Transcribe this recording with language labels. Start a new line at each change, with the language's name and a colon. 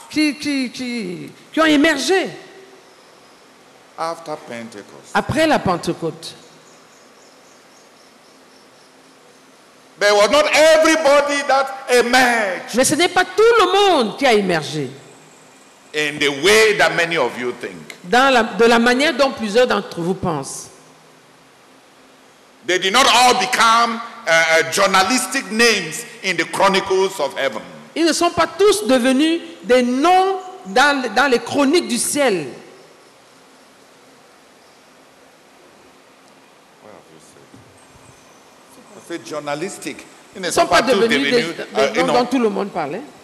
French: Qui ont émergé
English: after Pentecost.
French: Après la Pentecôte.
English: There was not everybody that emerged.
French: Mais ce n'est pas tout le monde qui a émergé.
English: In the way that many of you think.
French: De la manière dont plusieurs d'entre vous pensent.
English: They did not all become journalistic names in the chronicles of heaven.
French: Ils ne sont pas tous devenus des noms dans les chroniques du ciel. C'est journalistique. Ils ne sont pas devenus des noms dont tout le monde parlait.